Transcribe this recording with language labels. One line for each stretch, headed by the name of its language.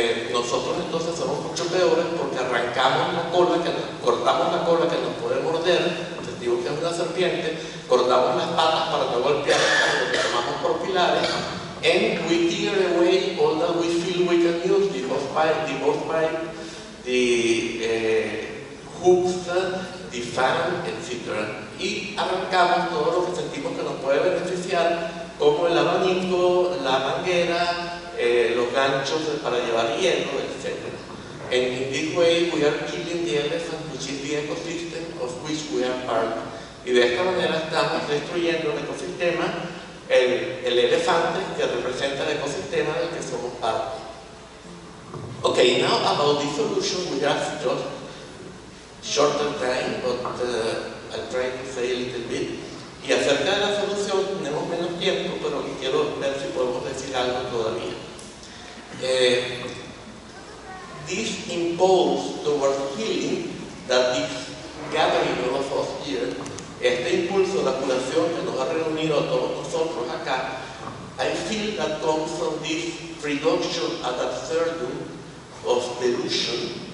Spanish: Nosotros entonces somos mucho peores porque arrancamos la cola, que nos, cortamos la cola que nos puede morder, sentimos que es una serpiente, cortamos las patas para no golpear, lo que tomamos por pilares,
English: And we tear away all that we feel we can use, the hose pipe, the hose pipe, the hooks, the fan, etc.
Spanish: Y arrancamos todo lo que sentimos que nos puede beneficiar, como el abanico, la manguera, los ganchos para llevar hielo, etc.
English: And in this way, we are killing the elephant, which is the ecosystem of which we are part.
Spanish: Y de esta manera estamos destruyendo el ecosistema, el elefante que representa el ecosistema del que somos parte.
English: Okay, now about the solution, we have just shorter time, but I'll try to say a little bit.
Spanish: Y acerca de la solución, tenemos menos tiempo, pero quiero ver si podemos decir algo todavía.
English: This impulse towards healing, that this gathering of us here,
Spanish: este impulso, la curación que nos ha reunido a todos nosotros acá,
English: I feel that comes from this reduction ad absurdum of delusion.